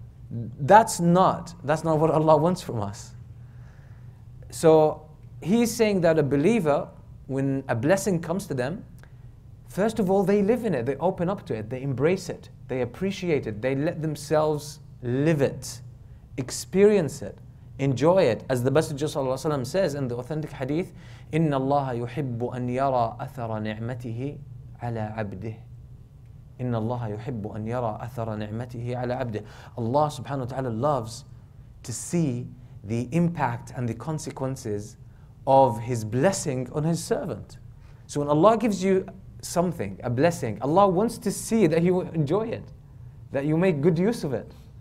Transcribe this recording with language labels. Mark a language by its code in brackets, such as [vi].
[en] That's not what Allah wants from us. So he's saying that a believer, when a blessing comes to them, first of all, they live in it, they open up to it, they embrace it, they appreciate it, they let themselves live it, experience it, enjoy it. As the Messenger sallallahu alaihi wasallam says in the authentic hadith, [ar] إِنَّ اللَّهَ يُحِبُّ أَنْ يَرَى أَثَرَ نِعْمَتِهِ عَلَى عَبْدِهِ إِنَّ اللَّهَ يُحِبُّ أَنْ يَرَى أَثَرَ نِعْمَتِهِ عَلَى عَبْدِهِ. [en] Allah subhanahu wa ta'ala loves to see the impact and the consequences of His blessing on His servant. So when Allah gives you something, a blessing, Allah wants to see that you enjoy it, that you make good use of it.